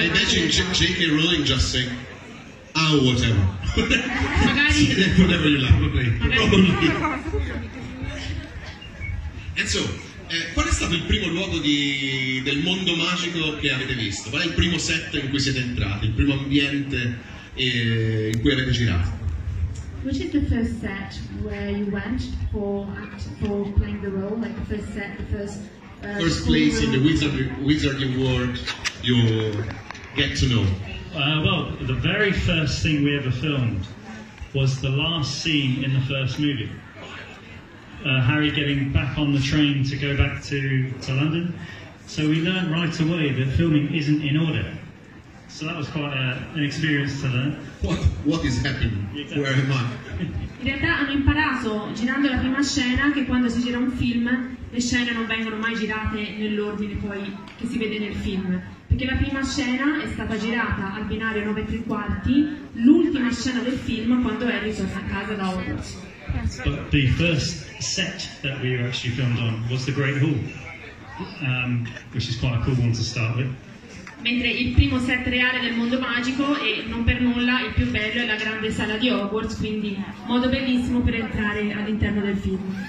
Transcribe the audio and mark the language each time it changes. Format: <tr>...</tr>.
<en>I imagine J.K. Rowling just saying, oh, whatever.</en> <it>Magari...</it> <en>whatever you like, probably. And so...</en> <it>qual è stato il primo luogo del mondo magico che avete visto? Qual è il primo set in cui siete entrati? Il primo ambiente in cui avete girato?</it> <en>Which is the first set where you went for playing the role? Like the first set, the first place in the wizarding world you get to know? Well, the very first thing we ever filmed was the last scene in the first movie. Harry getting back on the train to go back to London. So we learned right away that filming isn't in order. So that was quite an experience to learn. What is happening? Exactly. Where am I?</en> <it>In realtà hanno imparato, girando la prima scena, che quando si gira un film, le scene non vengono mai girate nell'ordine poi che si vede nel film. Perché la prima scena è stata girata al binario 9 3/4, l'ultima scena del film quando Harry torna a casa da Hogwarts.</it> <en>But the first set that we were actually filmed on was the Great Hall, which is quite a cool one to start with.</en> <it>Mentre il primo set reale del mondo magico e non per nulla il più bello è la grande sala di Hogwarts, quindi modo bellissimo per entrare all'interno del film.</it>